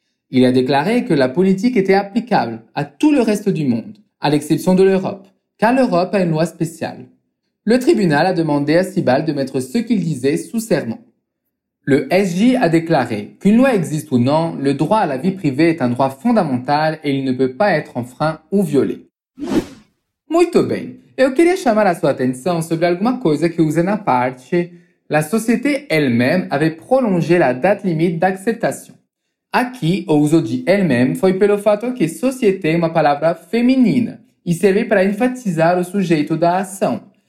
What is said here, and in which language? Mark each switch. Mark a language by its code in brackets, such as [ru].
[fr] Il a déclaré que la politique était applicable à tout le reste du monde, à l'exception de l'Europe, car l'Europe a une loi spéciale. Le tribunal a demandé à Sibal de mettre ce qu'il disait sous serment. Le SJ a déclaré qu'une loi existe ou non, le droit à la vie privée est un droit fondamental et il ne peut pas être enfreint ou violé. [pt] Muito bem. Eu queria chamar a sua atenção sobre alguma coisa que usa na parte. [fr] La société elle-même avait prolongé la date limite d'acceptation. [pt] Aqui, o uso de elle-même foi pelo fato que société é uma palavra feminina e serve para enfatizar o sujeito da ação.